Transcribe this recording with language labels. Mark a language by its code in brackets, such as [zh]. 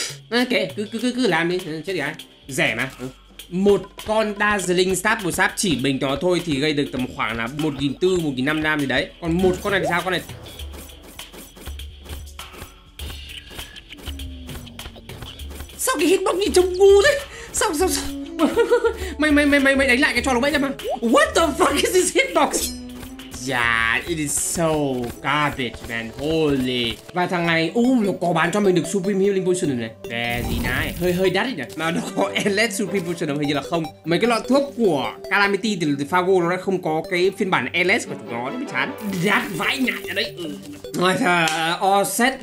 [vi] Ok, cứ làm đi, chết đi ai. Rẻ mà. Một con Dazzling Staff của Staff chỉ mình nó thôi thì gây được tầm khoảng là 1.400-1.500 đam gì đấy. Còn một con này thì sao, con này. Sao cái hitbox nhìn trông ngu thế? Sao? mày đánh lại cái trò lúc bẫy ra mà. [en] What the fuck is this hitbox? Yeah, it is so garbage man, holy. [vi] Và thằng này, nó có bán cho mình được Supreme Healing Potion này. [en] Very nice, [vi] hơi đắt ý nhỉ. Mà nó có Endless Supreme Potion không? Hình như là không. Mấy cái loại thuốc của Calamity thì Fago nó lại không có cái phiên bản Endless của chúng nó. Nó bị chán. Đắt vãi nhại ở đây. Rồi, [en] all set.